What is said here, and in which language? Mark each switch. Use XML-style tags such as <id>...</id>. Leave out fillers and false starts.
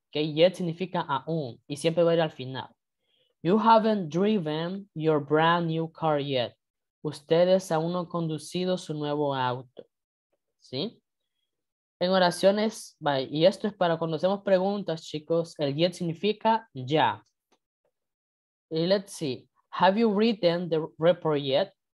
<es>Okay, yet significa aún, y siempre va a ir al final.</es> <en>You haven't driven your brand new car yet.</en> <es>Ustedes aún no han conducido su nuevo auto. ¿Sí? En oraciones, y esto es para cuando hacemos preguntas, chicos, el yet significa ya.</es> <en>Y let's see. Have you written the report yet?</en>